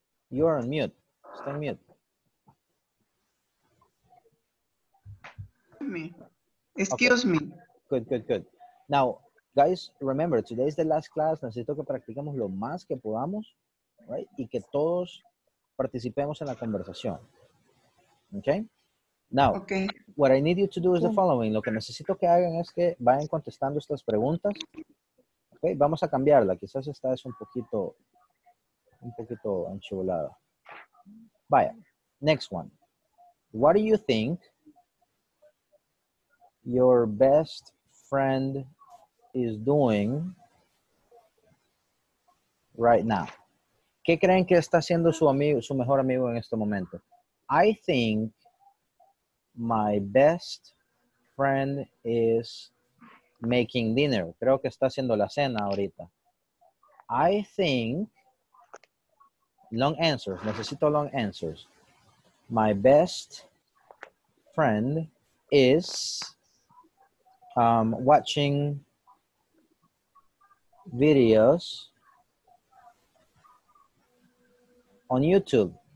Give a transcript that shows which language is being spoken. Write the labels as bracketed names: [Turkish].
[English] You are on mute. Stay on mute. Me. Excuse me. Good, good, good. Now, guys, remember, today is the last class. [Spanish] Necesito que practiquemos lo más que podamos, [English] right? [Spanish] Y que todos participemos en la conversación. Okay? Now, [English] okay. What I need you to do is the following. [Spanish] Lo que necesito que hagan es que vayan contestando estas preguntas. Okay? Vamos a cambiarla. Quizás esta es un poquito anchivolada. Vaya. [English] Next one. What do you think your best friend is doing right now? [Spanish] ¿Qué creen que está haciendo su mejor amigo en este momento? [English] I think my best friend is making dinner. [Spanish] Creo que está haciendo la cena ahorita. [English] I think, long answers, [Spanish] necesito [English] long answers. My best friend is watching videos on YouTube.